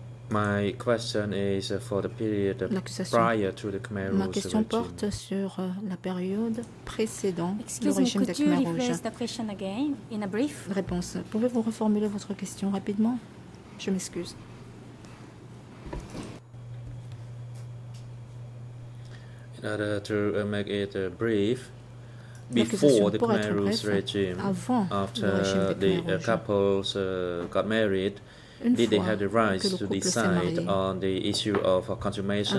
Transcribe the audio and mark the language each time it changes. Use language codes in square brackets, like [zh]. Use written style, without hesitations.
[en] my question is for the period prior to the Khmer Rouge. [fr] Ma question porte sur la période précédente du régime des Khmer Rouge. [en] Excuse me, could you rephrase the question again in a brief? [fr] Réponse. Pouvez-vous reformuler votre question rapidement? Je m'excuse. [en] In order to make it brief, before the Khmer Rouge regime, after the couples got married, did they have the right to decide on the issue of consummation?